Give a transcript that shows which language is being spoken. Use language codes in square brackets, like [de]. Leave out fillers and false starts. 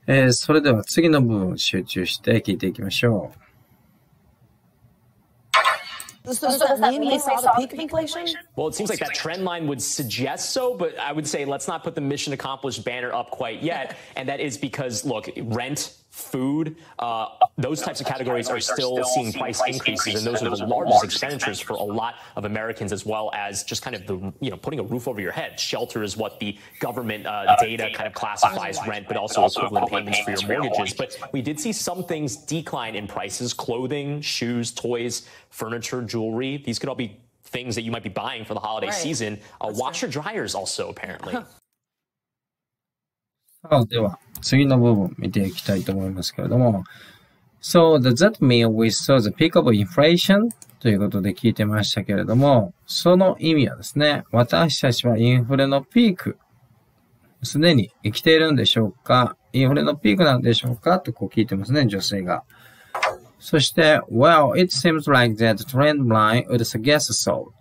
[ja] それでは次の部分集中して聞いていきましょう。 [en] Well, it seems like that trend line would suggest so, but I would say let's not put the mission accomplished banner up quite yet, and that is because look, rent. Food, those types of categories are still seeing price increases, and those are the largest expenditures for a lot of Americans, as well as just kind of the, you know, putting a roof over your head. Shelter is what the government data kind of classifies rent, but also equivalent payments for your mortgages. But we did see some things decline in prices, clothing, shoes, toys, furniture, jewelry. These could all be things that you might be buying for the holiday season. A washer dryers also, apparently. [ja] では次の部分見ていきたいと思いますけれども。 [en] So, does that mean we saw the peak of inflation? [ja] ということで聞いてましたけれども、その意味はですね、私たちはインフレのピーク、すでに生きているんでしょうか? インフレのピークなんでしょうか?とこう聞いてますね、女性が。そして、 [en] Well, it seems like that trend line would suggest so.